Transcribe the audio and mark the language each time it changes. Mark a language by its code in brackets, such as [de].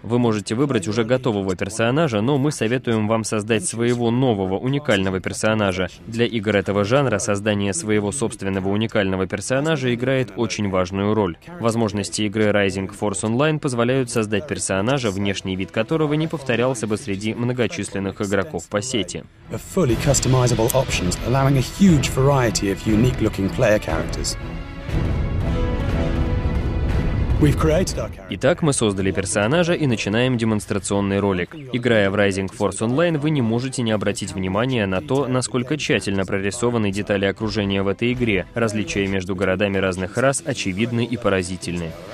[ru] Вы можете выбрать уже готового персонажа, но мы советуем вам создать своего нового, уникального персонажа. Для игр этого жанра создание своего собственного уникального персонажа играет очень важную роль. Возможности игры Rising Force Online позволяют создать персонажа, внешний вид которого не повторялся бы среди многочисленных игроков по сети. [en] Fully customizable options, allowing a huge variety of unique-looking player characters. [ru] Итак, мы создали персонажа и начинаем демонстрационный ролик. Играя в Rising Force Online, вы не можете не обратить внимания на то, насколько тщательно прорисованы детали окружения в этой игре. Различия между городами разных рас очевидны и поразительны.